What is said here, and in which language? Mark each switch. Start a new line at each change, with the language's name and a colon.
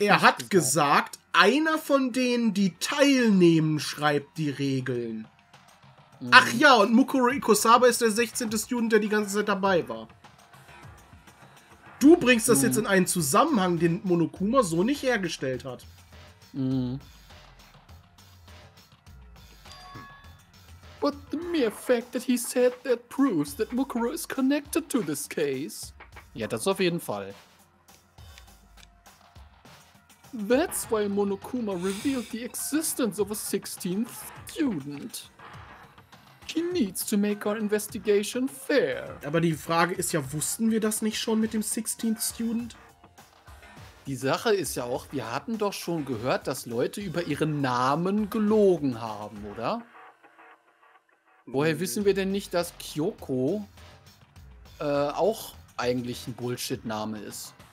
German: gesagt. Er hat gesagt, einer von denen, die teilnehmen, schreibt die Regeln. Mhm. Ach ja, und Mukuru Ikusaba ist der 16. Student, der die ganze Zeit dabei war. Du bringst das jetzt in einen Zusammenhang, den Monokuma so nicht hergestellt hat. Mhm.
English: But the mere fact that he said that proves that Mukuru is connected to this case.
German: Ja, das auf jeden Fall.
English: That's why Monokuma revealed the existence of a 16th student. He needs to make our investigation fair.
German: Aber die Frage ist ja, wussten wir das nicht schon mit dem
English: 16th student?
German: Die Sache ist ja auch, wir hatten doch schon gehört, dass Leute über ihren Namen gelogen haben, oder? Woher wissen wir denn nicht, dass Kyoko auch eigentlich ein Bullshit-Name ist?